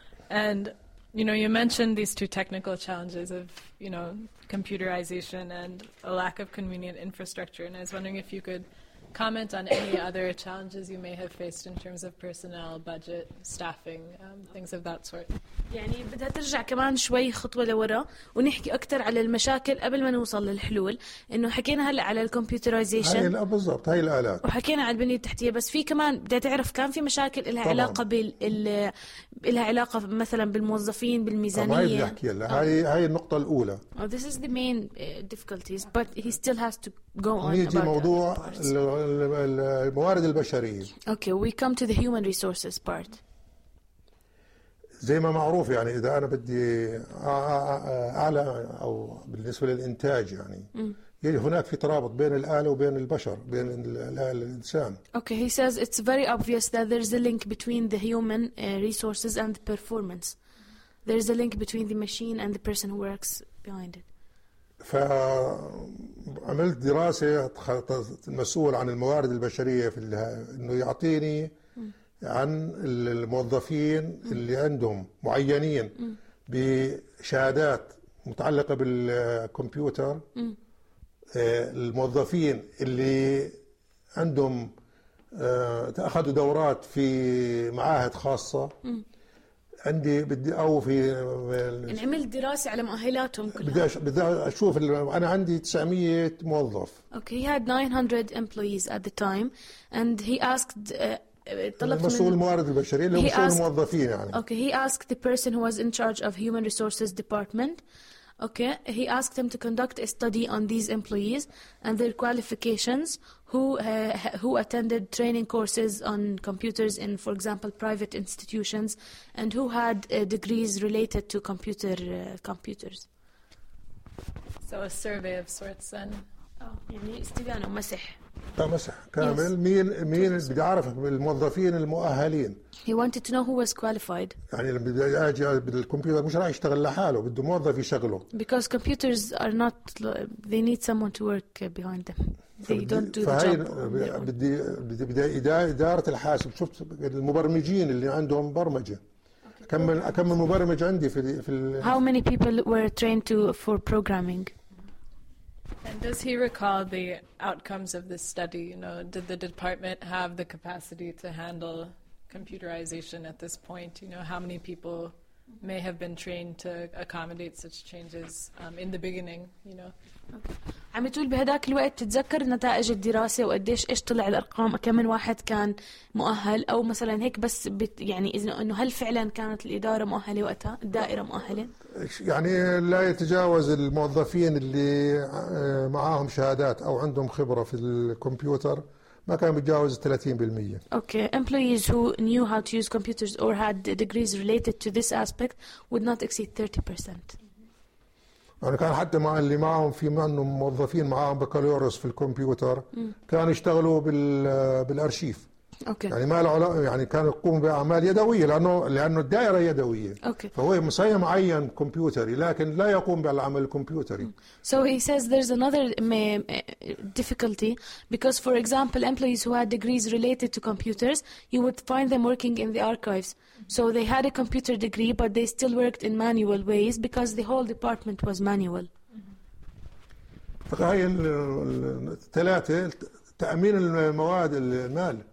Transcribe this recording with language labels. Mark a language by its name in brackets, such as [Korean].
[English] And, you know, you mentioned these two technical challenges of, you know, computerization and a lack of convenient infrastructure. And I was wondering if you could comment on any other challenges you may have faced in terms of personnel, budget, staffing, things of that sort. [Arabic] يعني بدها ترجع كمان شوي خطوة لورا ونحكي أكتر على المشاكل قبل ما نوصل للحلول. إنه حكينا هلا على الكمبيوترايزيشن. هاي بالضبط هاي الآلات. وحكينا على البنية التحتية بس في كمان بدها تعرف كان في مشاكل لها علاقة لها علاقة مثلا بالموظفين بالميزانية. ما يبي يحكي لها هاي النقطة الأولى. [English] Oh, this is the main difficulties, but he still has to go on. [Arabic] نيجي موضوع الموارد البشرية. [English] Okay, we come to the human resources part. [Arabic] زي ما معروف يعني إذا أنا بدي أعلى أو بالنسبة للإنتاج يعني يعني هناك في ترابط بين الآلة وبين البشر بين الإنسان. [English] Okay, he says it's very obvious that there's a link between the human resources and the performance. There's a link between the machine and the person who works behind it. [Arabic] فعملت دراسة المسؤول عن الموارد البشرية في إنه يعطيني عن الموظفين اللي عندهم معينين بشهادات متعلقة بالكمبيوتر الموظفين اللي عندهم تأخذوا دورات في معاهد خاصة عندي بدي أو في عملت دراسة على مؤهلاتهم كلها بدي أشوف أنا عندي 900 موظف. [English] Okay, he had 900 employees at the time and he asked [Arabic] مسؤول الموارد البشرية اللي هو مسؤول الموظفين يعني. [English] Okay, he asked the person who was in charge of human resources department. Okay, he asked them to conduct a study on these employees and their qualifications, who attended training courses on computers in, for example, private institutions, and who had degrees related to computers. So a survey of sorts then. [Arabic] يعني استبيان ومسح. مسح كامل yes. مين بدي اعرف الموظفين المؤهلين. [English] He wanted to know who was qualified. [Arabic] يعني بدي اجي بالكمبيوتر مش راح يشتغل لحاله بده موظف يشغله. [English] Because computers are not they need someone to work behind them. They don't do the job. [Arabic] بدي اداره الحاسب شفت المبرمجين اللي عندهم برمجه. كم مبرمج عندي في [English] How many people were trained for programming? And does he recall the outcomes of this study? You know, did the department have the capacity to handle computerization at this point? You know, how many people may have been trained to accommodate such changes in the beginning? You know. [Arabic] عم يقول بهداك الوقت تتذكر نتائج الدراسة وقديش إيش طلع الأرقام كم من واحد كان مؤهل أو مثلاً هيك بس يعني إنه هل فعلاً كانت الإدارة مؤهلة وقتها الدائرة مؤهلة؟ يعني لا يتجاوز الموظفين اللي معاهم شهادات أو عندهم خبرة في الكمبيوتر ما كان بيتجاوز 30%. [English] Okay, employees who knew how to use computers or had degrees related to this aspect would not exceed 30%. [Arabic] أنا كان حتى مع اللي معهم في منهم موظفين معهم بكالوريوس في الكمبيوتر كانوا يشتغلوا بالأرشيف. [English] Okay. [Arabic] يعني ما له علاقة يعني كانوا يقوموا بأعمال يدوية لأنه الدائرة يدوية. [English] Okay. [Arabic] فهو مسيم معين كمبيوتري لكن لا يقوم بالعمل الكمبيوتري. [English] So he says there's another difficulty because for example employees who had degrees related to computers you would find them working in the archives. So they had a computer degree but they still worked in manual ways because the whole department was manual. [Arabic] فهاي الثلاثة تأمين المواد المال.